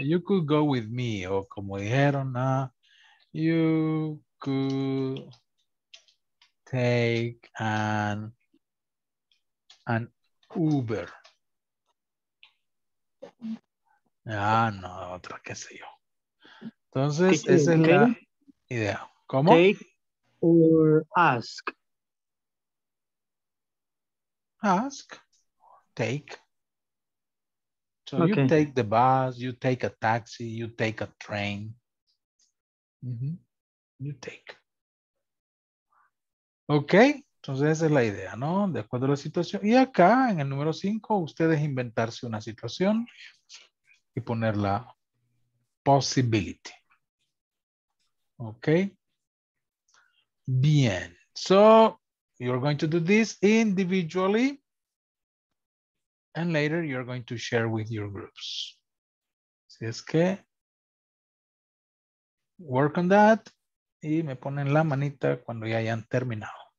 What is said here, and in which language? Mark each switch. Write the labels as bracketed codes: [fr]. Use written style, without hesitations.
[en] You could go with me, [es] o como dijeron, [en] you could take an Uber. [es] Ah, no, otra, qué sé yo. Entonces, esa es la, idea. ¿Cómo? [en] Take or ask. Ask, take. So okay. You take the bus, you take a taxi, you take a train. Mm-hmm. You take. [es] Okay, entonces esa es la idea, ¿no? De acuerdo a la situación. Y acá, en el número 5, ustedes inventarse una situación y poner la possibility. [en] Okay. Bien. So, you're going to do this individually. And later, you're going to share with your groups. [es] Si es que [en] work on that. [es] Y me ponen la manita cuando ya hayan terminado.